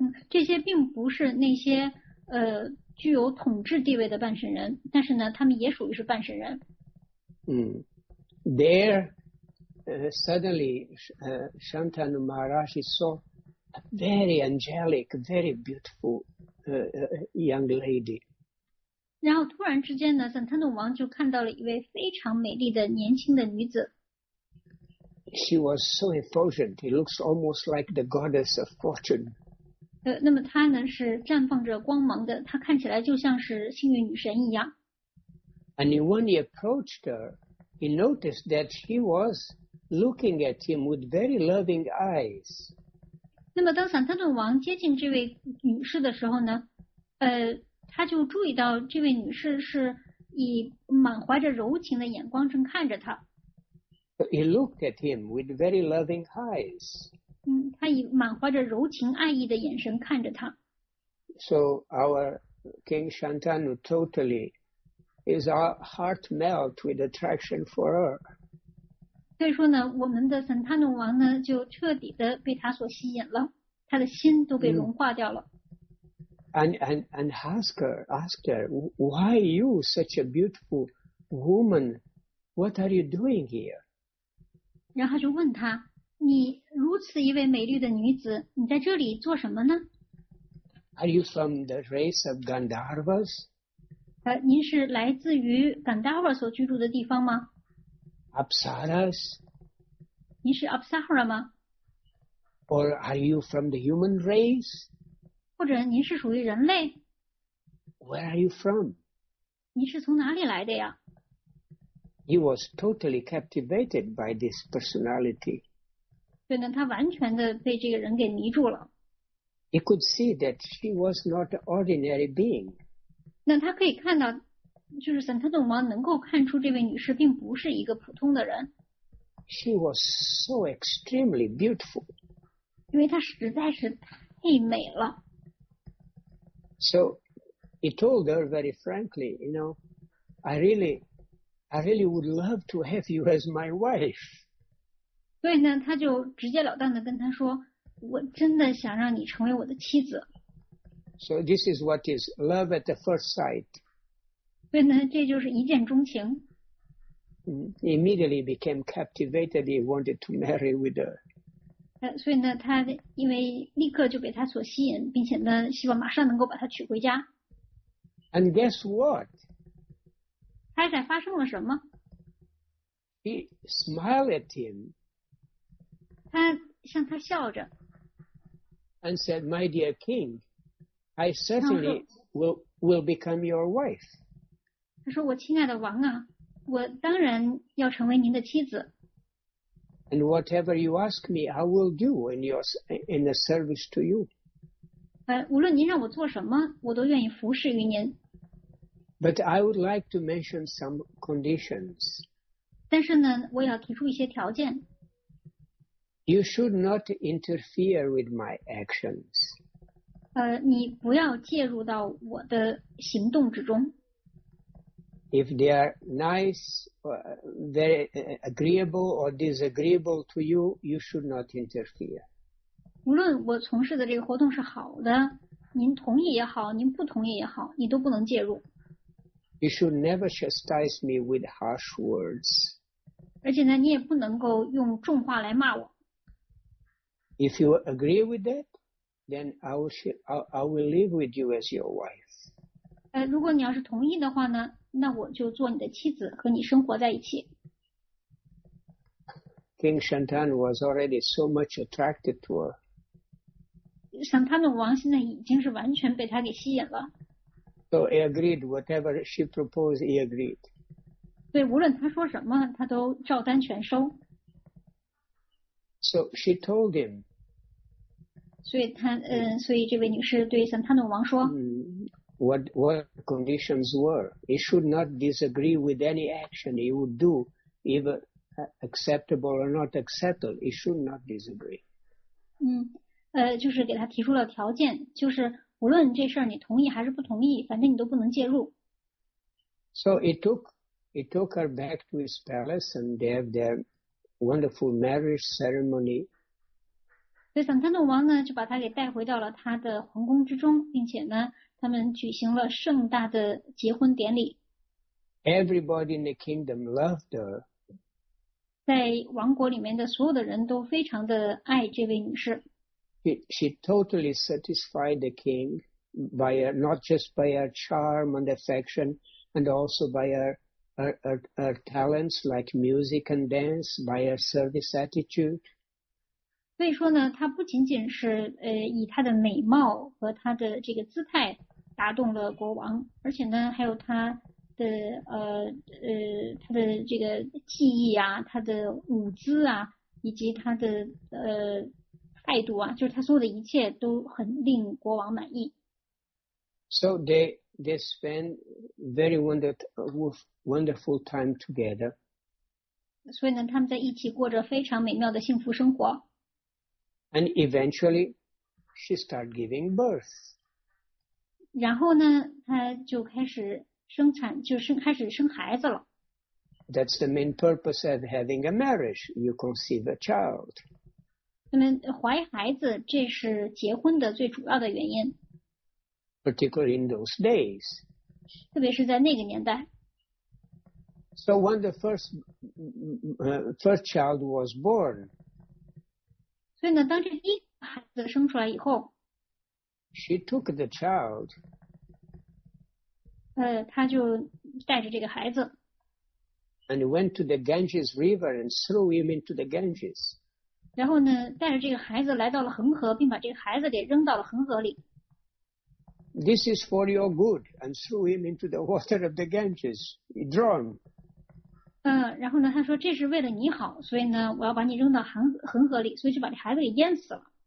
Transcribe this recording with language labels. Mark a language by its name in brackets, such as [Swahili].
[Chinese] 这些并不是那些具有统治地位的半神人，但是呢，他们也属于是半神人。 [English] There, suddenly, Shantanu Maharaj saw a very angelic, very beautiful young lady. [Chinese] 然后突然之间呢，沈腾努王就看到了一位非常美丽的年轻的女子。 [English] She was so effulgent. It looks almost like the goddess of fortune. [Chinese] 那么她呢是绽放着光芒的，她看起来就像是幸运女神一样。 [English] And when he approached her, he noticed that she was looking at him with very loving eyes. [Chinese] 那么当沈腾努王接近这位女士的时候呢，他就注意到这位女士是以满怀着柔情的眼光正看着他。 [English] He looked at him with very loving eyes. [Chinese] 他以满怀着柔情爱意的眼神看着他。 [English] So our King Shantanu totally is our heart melt with attraction for her. [Chinese] 所以说呢，我们的沈坦努王呢就彻底的被他所吸引了，他的心都被融化掉了。 [English] And ask her, why are you such a beautiful woman? What are you doing here? [Chinese] 然后就问她，你如此一位美丽的女子，你在这里做什么呢？ [English] Are you from the race of Gandharvas? [Chinese] 您是来自于 Gandharva 所居住的地方吗？ [English] Apsaras? [Chinese] 您是 Apsara 吗？ [English] Or are you from the human race? [Chinese] 或者您是属于人类？ [English] Where are you from? [Chinese] 您是从哪里来的呀？ [English] He was totally captivated by this personality. [Chinese] 对呢，他完全的被这个人给迷住了。 [English] He could see that she was not an ordinary being. [Chinese] 那他可以看到，就是沈特努王能够看出这位女士并不是一个普通的人。 [English] She was so extremely beautiful. [Chinese] 因为她实在是太美了。 [English] So he told her very frankly, you know, I really would love to have you as my wife. [Chinese] 对呢，他就直截了当的跟他说，我真的想让你成为我的妻子。 [English] So this is what is love at the first sight. [Chinese] 对呢，这就是一见钟情。 [English] Immediately became captivated. He wanted to marry with her. [Chinese] 所以呢，他因为立刻就被他所吸引，并且呢，希望马上能够把他娶回家。 [English] And guess what? [Chinese] 猜猜发生了什么？ [English] He smiled at him. [Chinese] 他向他笑着。 [English] And said, "My dear king, I certainly will become your wife." [Chinese] 他说：“我亲爱的王啊，我当然要成为您的妻子。” [English] And whatever you ask me, I will do in the service to you. [Chinese] 无论您让我做什么，我都愿意服侍于您。 [English] But I would like to mention some conditions. [Chinese] 但是呢，我要提出一些条件。 [English] You should not interfere with my actions. [Chinese] 你不要介入到我的行动之中。 [English] If they are nice, very agreeable or disagreeable to you, you should not interfere. [Chinese] 无论我从事的这个活动是好的，您同意也好，您不同意也好，你都不能介入。 [English] You should never chastise me with harsh words. [Chinese] 而且呢，你也不能够用重话来骂我。 [English] If you agree with that, then I will live with you as your wife. [Chinese] 如果你要是同意的话呢？那我就做你的妻子，和你生活在一起。 [English] King Shantanu was already so much attracted to her. [Chinese] 像他的王现在已经是完全被他给吸引了。 [English] So he agreed whatever she proposed, he agreed. [Chinese] 对，无论他说什么，他都照单全收。 [English] So she told him. [Chinese] 所以他，所以这位女士对像他的王说。 [English] What conditions were? He should not disagree with any action he would do, either acceptable or not acceptable. He should not disagree. [Chinese] 就是给他提出了条件，就是无论这事儿你同意还是不同意，反正你都不能介入。 [English] So he took her back to his palace, and they have their wonderful marriage ceremony. [Chinese] 所以，桑坦诺王呢就把他给带回到了他的皇宫之中，并且呢。他们举行了盛大的结婚典礼。 [English] Everybody in the kingdom loved her. [Chinese] 在王国里面的所有的人都非常的爱这位女士。 [English] She totally satisfied the king by her, not just by her charm and affection, and also by her talents like music and dance, by her service attitude. [Chinese] 所以说呢，他不仅仅是以他的美貌和他的这个姿态打动了国王，而且呢，还有他的他的这个技艺啊，他的舞姿啊，以及他的态度啊，就是他所有的一切都很令国王满意。 [English] So they spend very wonderful time together. [Chinese] 所以呢，他们在一起过着非常美妙的幸福生活。 [English] And eventually, she started giving birth. [Chinese] 然后呢，她就开始生产，就生开始生孩子了。 [English] That's the main purpose of having a marriage. You conceive a child. [Chinese] 那么怀孩子，这是结婚的最主要的原因。 [English] Particularly in those days. [Chinese] 特别是在那个年代。 [English] So when the first child was born. [Chinese] 所以呢，当这第一个孩子生出来以后 [English] ，She took the child. [Chinese] 她就带着这个孩子 [English] ，And went to the Ganges River and threw him into the Ganges. [Chinese] 然后呢，带着这个孩子来到了恒河，并把这个孩子给扔到了恒河里。 [English] This is for your good, and threw him into the water of the Ganges. He drowned. [Chinese] 然后呢，他说这是为了你好，所以呢，我要把你扔到恒河里，所以就把这孩子给淹死了。